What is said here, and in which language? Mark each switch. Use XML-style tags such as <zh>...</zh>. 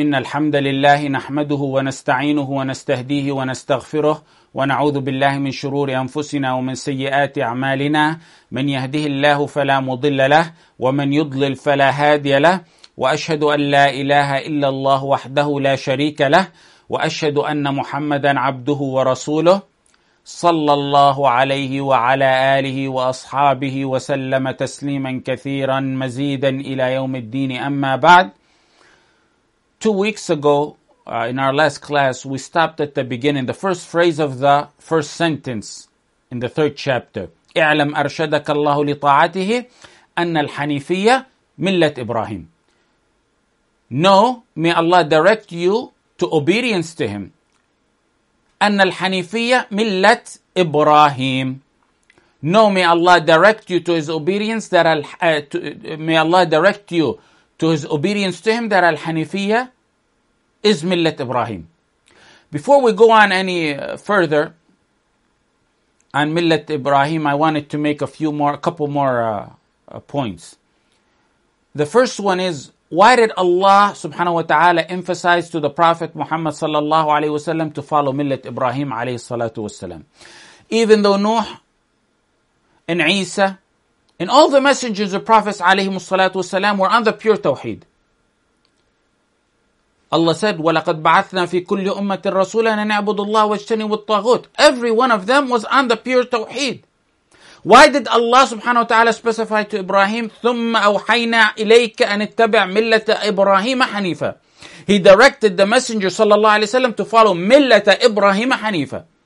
<ar>إن الحمد لله نحمده ونستعينه ونستهديه ونستغفره ونعوذ بالله من شرور أنفسنا ومن سيئات أعمالنا، من يهده الله فلا مضل له ومن يضلل فلا هادي له، وأشهد أن لا إله إلا الله وحده لا شريك له، وأشهد أن محمدا عبده ورسوله صلى الله عليه وعلى آله وأصحابه وسلم تسليما كثيرا مزيدا إلى يوم الدين. أما بعد،</ar> <en>2 weeks ago, in our last class, we stopped at the beginning, the first phrase of the first sentence in the third chapter.</en> <ar>اعلم أرشدك الله لطاعته أن الحنيفية ملة إبراهيم.</ar> <en>Know, may Allah direct you to obedience to Him.</en> <ar>أن الحنيفية ملة إبراهيم.</ar> <en>Know, may Allah direct you to His obedience. May Allah direct you to His obedience to Him. That الحنيفية is Millat Ibrahim. Before we go on any further on Millat Ibrahim, I wanted to make a couple more points. The first one is, why did Allah subhanahu wa ta'ala emphasize to the Prophet Muhammad sallallahu alayhi wa sallam to follow Millat Ibrahim alayhi salatu wa sallam? Even though Nuh and Isa and all the messengers of Prophets alayhi salatu wa sallam were on the pure Tawheed. Allah said,</en> <ar>وَلَقَدْ بَعَثْنَا فِي كُلِّ أُمَّةٍ رَسُولًا أَنْ أَعْبُدُ اللَّهُ وَاجْتَنِبُ الطَّاغُوتِ.</ar> <en>Every one of them was on the pure Tawheed. Why did Allah subhanahu wa ta'ala specify to Ibrahim,</en> <ar>ثُمَّ أَوْحَيْنَا إِلَيْكَ أَنِ اتَّبِعْ مِلَّةَ إِبْرَاهِيمَ حَنِيفًا.</ar> <en>He directed the messenger sallallahu alayhi wa sallam to follow</en> <ar>مِلَّةَ إِبْرَاهِيمَ حَنِيفًا.</ar>